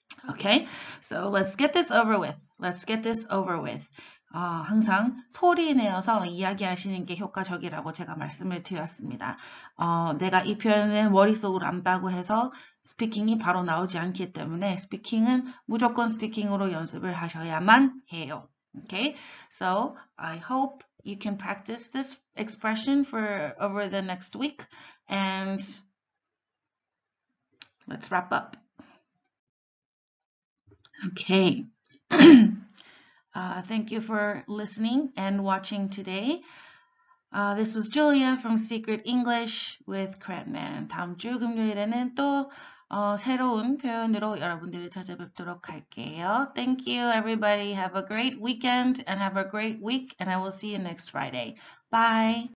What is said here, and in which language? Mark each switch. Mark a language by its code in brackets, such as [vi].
[en] Okay, so let's get this over with. Let's get this over with. [ko] 항상 소리 내어서 이야기하시는 게 효과적이라고 제가 말씀을 드렸습니다. 내가 이 표현을 머릿속으로 안다고 해서 스피킹이 바로 나오지 않기 때문에 스피킹은 무조건 스피킹으로 연습을 하셔야만 해요. [en] Okay? So I hope you can practice this expression for over the next week and let's wrap up. Okay. thank you for listening and watching today. This was Julia from Secret English with Cranman. [ko] 다음 주 금요일에는 또 새로운 표현으로 여러분들을 찾아뵙도록 할게요. [en] Thank you, everybody. Have a great weekend and have a great week, and I will see you next Friday. Bye.